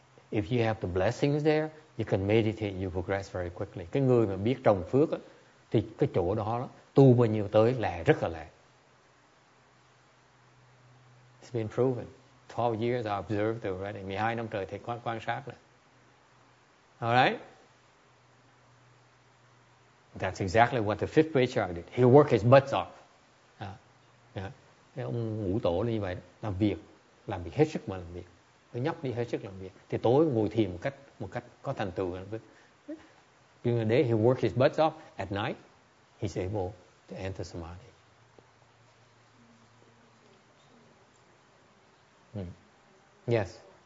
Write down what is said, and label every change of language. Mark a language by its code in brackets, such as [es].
[en] If you have the blessings there, you can meditate, you progress very quickly. [vi] Cái người mà biết trồng phước á, thì cái chỗ đó tu bao nhiêu tới lẹ, rất là lẹ. [en] It's been proven. 12 years I observed already. [vi] 12 năm trời thầy quan sát rồi. [en] Alright? That's exactly what the fifth patriarch did. He worked his butt off. Yeah. [vi] Ông ngũ tổ là như vậy, làm việc hết sức mà làm việc. Nó nhóc đi hết sức làm việc. Thì tối ngồi thiền một cách có thành tựu. [en] During the day he worked his butt off. At night, he's able to enter samadhi. Yes.